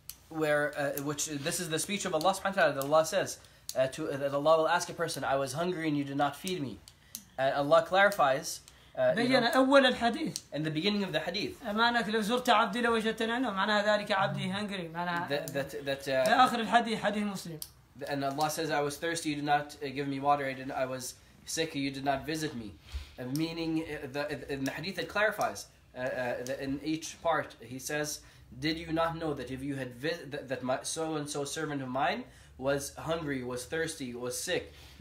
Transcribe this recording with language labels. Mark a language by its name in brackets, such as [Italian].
[English] Where which this is the speech of Allah سبحانه وتعالى that Allah says that Allah will ask a person, I was hungry and you did not feed me. Allah clarifies. [Arabic] بيّن أول الحديث. [English] In the beginning of the hadith. [Arabic] أمانك لو زرت عبدي لوجدتني أنا معناها ذلك عبدي [English] hungry [Arabic] معناها. في آخر الحديث حديث مسلم. [English] And Allah says, I was thirsty, you did not give me water, I was sick, you did not visit me. Meaning, in the hadith, it clarifies, in each part, he says, did you not know that if you had that so-and-so servant of mine was hungry, was thirsty, was sick,